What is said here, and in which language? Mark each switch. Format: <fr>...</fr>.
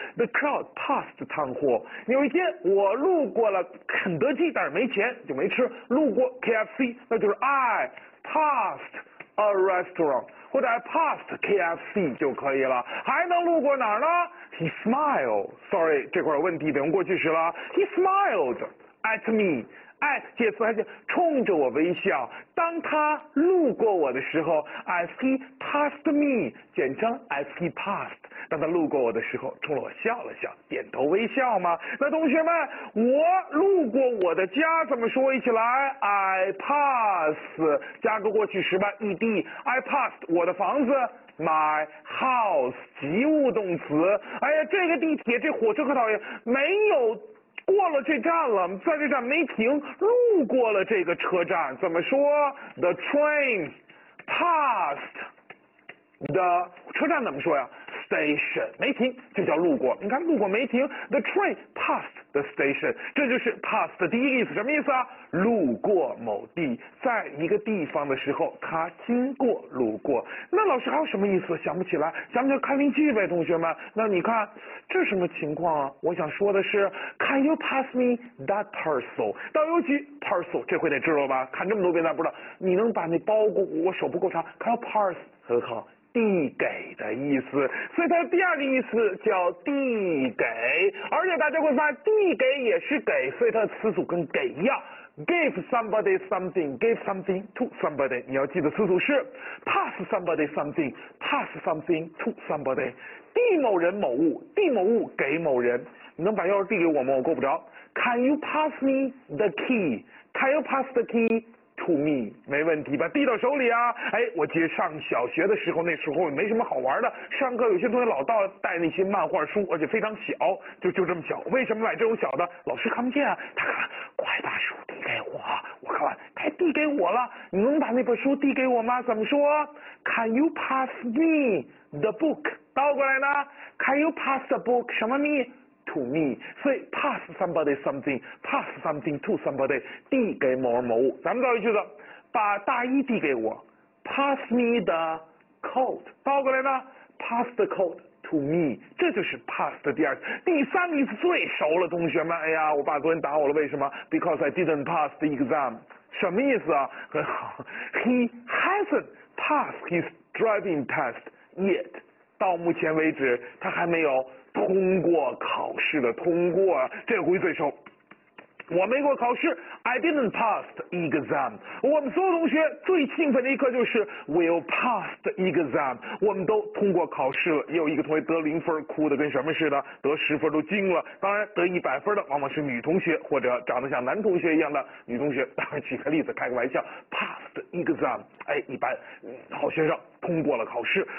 <en>the crowd passed town hall。</en> <zh>有一天我路过了肯德基，但是没钱就没吃，路过 KFC， 那就是</zh> <en>I passed a restaurant，</en> <zh>或者</zh> <en>I passed KFC</en> <zh>就可以了。还能路过哪儿呢？</zh> <en>He smiled， sorry</en> <zh>这块有问题，得用过去时了。</zh> <en>He smiled at me，</en> <zh>at 介词，还是冲着我微笑。当他路过我的时候，</zh> <en>as he passed me，</en> <zh>简称</zh> <en>as he passed，</en> <zh>当他路过我的时候冲着我笑了笑，点头微笑嘛。那同学们我路过我的家怎么说一起来？ I pass 加个过去时吧， ed，</zh> <en>I passed</en> <zh>我的房子，</zh> <en>my house</en> <zh>及物动词。哎呀，这个地铁这火车可讨厌，没有过了这站了，在这站没停，路过了这个车站怎么说？</zh> <en>The train passed the</en> <zh>车站怎么说呀？ station 没停就叫路过，你看路过没停，</zh> <en>the train passed the station，</en> <zh>这就是 pass 的第一个意思。什么意思啊？路过某地，在一个地方的时候他经过路过。那老师还有什么意思想不起来？咱们就看例句呗，同学们。那你看这什么情况啊？我想说的是</zh> <en>can you pass me that parcel，</en> <zh>到邮局 parcel 这回得知道吧，看这么多遍咱不知道，你能把那包裹，我手不够长，</zh> <en>can you pass，</en> <zh>很好，递给的意思。所以它第二个意思叫递给，而且大家会发现递给也是给，所以它的词组跟给一样，</zh> <en>give somebody something， give something to somebody，</en> <zh>你要记得词组是</zh> <en>pass somebody something， pass something to somebody，</en> <zh>递某人某物，递某物给某人。你能把钥匙递给我吗？我够不着。</zh> <en>can you pass me the key， can you pass the keyto me，</en> <zh>没问题吧，递到手里啊。哎，我记得上小学的时候，那时候也没什么好玩的，上课有些同学老到带那些漫画书，而且非常小，就这么小。为什么买这种小的？老师看不见啊，他看快把书递给我，我看完他递给我了，你能把那本书递给我吗？怎么说？</zh> <en>Can you pass me the book，</en> <zh>倒过来呢？</zh> <en>Can you pass the book 什么 me？ to me，</en> <zh>所以</zh> <en>pass somebody something， pass something to somebody，</en> <zh>递给某人某物。咱们造一句子，把大衣递给我，</zh> <en>pass me the coat，</en> <zh>倒过来呢？</zh> <en>pass the coat to me，</en> <zh>这就是</zh> <en>pass 的第二。</en> <zh>第三个意思最熟了，同学们，哎呀，我爸昨天打我了，为什么？</zh> <en>because I didn't pass the exam，</en> <zh>什么意思啊？很好，</zh> <en>he hasn't passed his driving test yet，</en> <zh>到目前为止他还没有通过考试的，通过这回最熟。我没过考试，</zh> <en>I didn't pass the exam。</en> <zh>我们所有同学最兴奋的一课就是</zh> <en>will pass the exam，</en> <zh>我们都通过考试了。也有一个同学得零分，哭得跟什么似的，得10分都惊了。当然得100分的往往是女同学，或者长得像男同学一样的女同学。当然举个例子开个玩笑，</zh> <en>pass the exam，</en> <zh>哎，一般好学生通过了考试。</zh>